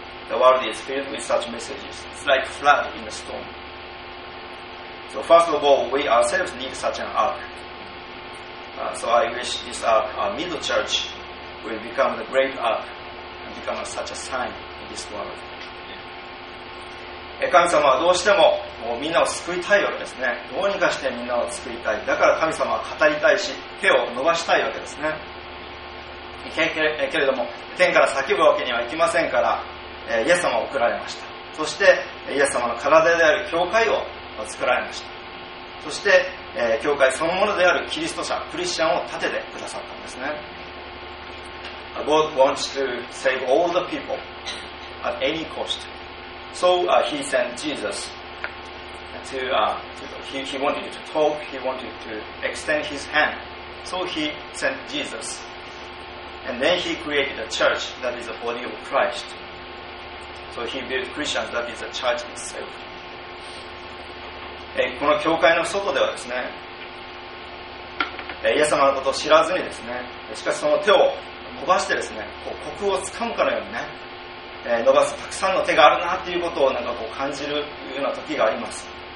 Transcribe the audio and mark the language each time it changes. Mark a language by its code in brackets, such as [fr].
[en] The world is filled with such messages. It's like flood in a storm. So first of all, we ourselves need such an ark. So I wish this ark, our middle church, will become the great ark and become such a sign in this world. [ja] 神様はどうしてももうみんなを救いたいわけですね。どうにかしてみんなを救いたい、だから神様は語りたいし手を伸ばしたいわけですね。けれども天から叫ぶわけにはいきませんから、イエス様を送られました。そしてイエス様の体である教会を作られました。そして、教会そのものであるキリスト者、クリスチャンを建ててくださったんですね。 [en] God wants to save all the people at any costSo he sent Jesus to, he wanted to talk, he wanted to extend his hand. So he sent Jesus. And then he created a church that is the body of Christ. So he built Christians that is the church itself. [ja] この教会の外ではですね、イエス様のことを知らずにですね、しかしその手を伸ばしてですね、こう虚空をつかむかのようにね、伸ばすたくさんの手があるなということをなんかこう感じるような時があります。